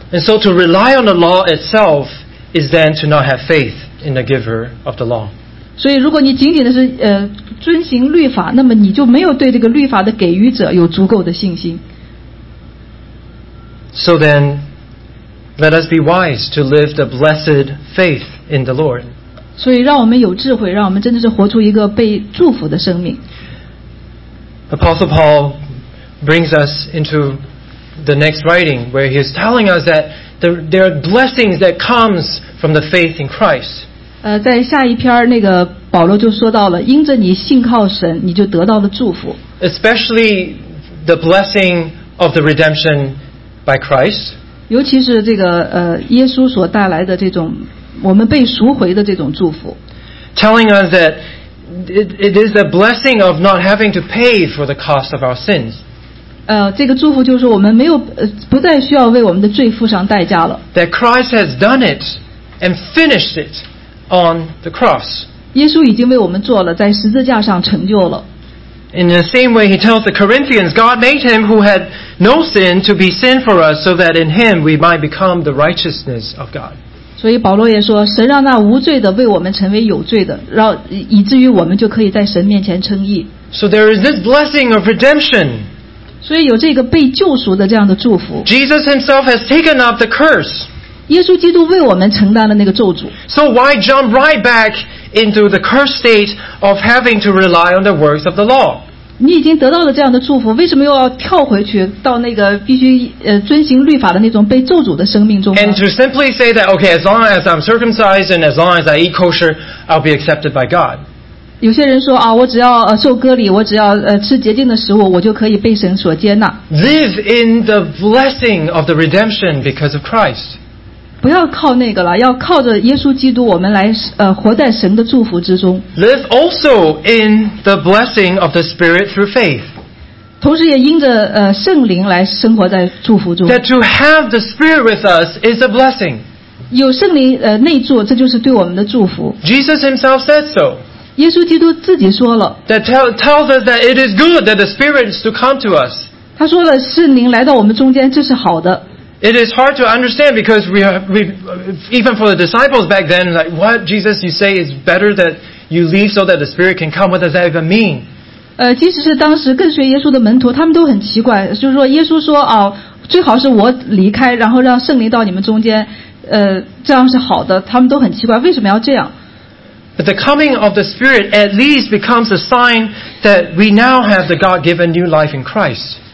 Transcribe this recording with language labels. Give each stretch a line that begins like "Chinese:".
English: And so to rely on the law itself is then to not have faith in the giver of the law.
Chinese: 所以如果你仅仅的是遵行律法，那么你就没有对这个律法的给予者有足够的信心。
English: So then, let us be wise to live the blessed faith in the Lord.
Chinese: 所以让我们有智慧，让我们真的是活出一个被祝福的生命。
English: Apostle Paul brings us into the next writing where he is telling us that there are blessings that comes from the faith in Christ.
Chinese: 在下一篇那个保罗就说到了，因着你信靠神，你就得到了祝福。
English: Especially the blessing of the redemption by Christ.
Chinese: 尤其是这个耶稣所带来的这种我们被赎回的这种祝福
English: telling us that it is the blessing of not having to pay for the cost of our sins.
Chinese: 这个祝福就是我们没有不再需要为我们的罪付上代价了。
English: That Christ has done it and finished it on the cross.
Chinese: 耶稣已经为我们做了，在十字架上成就了。
English: In the same way, he tells the Corinthians, God made him who had no sin to be sin for us, so that in him we might become the righteousness of God.
Chinese: 所以保罗也说，神让那无罪的为我们成为有罪的，让以至于我们就可以在神面前称义。
English: So there is this blessing of redemption.
Chinese: 所以有这个被救赎的这样的祝福。
English: Jesus himself has taken up the curse.
Chinese: 耶稣基督为我们承担了那个咒诅。
English: So why jump right back into the cursed state of having to rely on the works of the law?
Chinese: 你已经得到了这样的祝福，为什么又要跳回去到那个必须遵行律法的那种被咒诅的生命中呢？
English: And to simply say that, okay, as long as I'm circumcised and as long as I eat kosher, I'll be accepted by God.
Chinese: 有些人说啊，我只要受割礼，我只要吃洁净的食物，我就可以被神所接纳。
English: Live in the blessing of the redemption because of Christ.
Chinese: 不要靠那个了，要靠着耶稣基督，我们来活在神的祝福之中。
English: Live also in the blessing of the Spirit through faith.
Chinese: 同时也因着圣灵来生活在祝福中。
English: That to have the Spirit with us is a blessing.
Chinese: 有圣灵内住，这就是对我们的祝福。
English: Jesus himself said so.
Chinese: 耶稣基督自己说了。
English: That tells us that it is good that the Spirit is to come to us.
Chinese: 他说了，圣灵来到我们中间，这是好的。
English: It is hard to understand because we even for the disciples back then, like, what, Jesus, you say it's better that you leave so that the Spirit can come? What does that even mean?
Chinese: 即使是当时跟随耶稣的门徒，他们都很奇怪，就是说耶稣说啊，最好是我离开，然后让圣灵到你们中间，这样是好的，他们都很奇怪，为什么要这样？
English: But the coming of the Spirit at least becomes a sign that we now have the God-given new life in Christ.